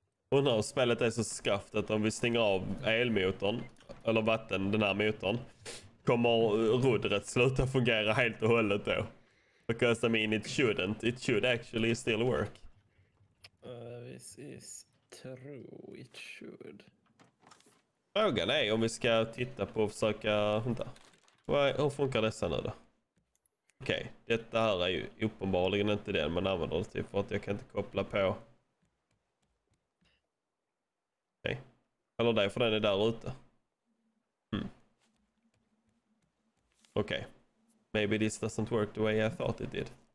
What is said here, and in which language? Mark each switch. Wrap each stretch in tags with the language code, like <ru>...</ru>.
<sv>Undrar om spelet är så skraft att om vi stänger av elmotorn, eller vatten, den här motorn, kommer rodret sluta fungera helt och hållet då?</sv> <en>Because I mean it shouldn't, it should actually still work. This is true, it should.</en> <sv>Frågan är om vi ska titta på och försöka, vänta, hur funkar dessa nu då? Okej, detta här är ju uppenbarligen inte det man använder det till för att jag kan inte koppla på. Okej. Okay. Eller det, för den är där ute. Hmm. Okej. Okay.</sv> <en>Maybe this doesn't work the way I thought it did.</en>